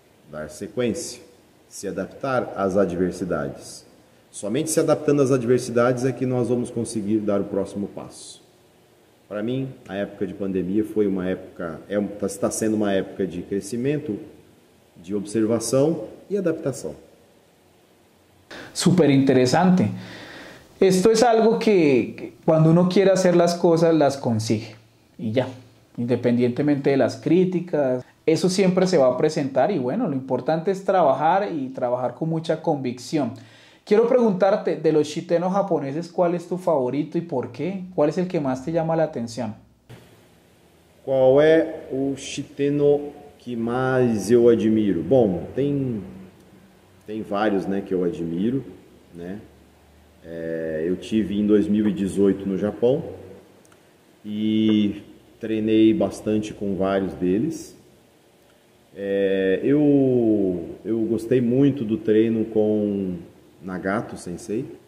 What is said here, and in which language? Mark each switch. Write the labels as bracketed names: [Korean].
[Portuguese] Dar sequência, se adaptar às adversidades. Somente se adaptando às adversidades é que nós vamos conseguir dar o próximo passo. Para mim, a época de pandemia foi uma época, está sendo uma época de crescimento, de observação e adaptação. Super interessante. [Spanish] Esto es algo que cuando uno quiere hacer las cosas, las consigue. Y ya, independientemente de las críticas, eso siempre se va a presentar. Y bueno, lo importante es trabajar y trabajar con mucha convicción. Quiero preguntarte, de los shiteno japoneses, ¿cuál es tu favorito y por qué? ¿Cuál es el que más te llama la atención? ¿Cuál es el shiteno que más yo admiro? [Portuguese] Bueno, tem vários, né, que eu admiro, né? Eu tive em 2018 no Japão e treinei bastante com vários deles. Eu gostei muito do treino com Nagato Sensei.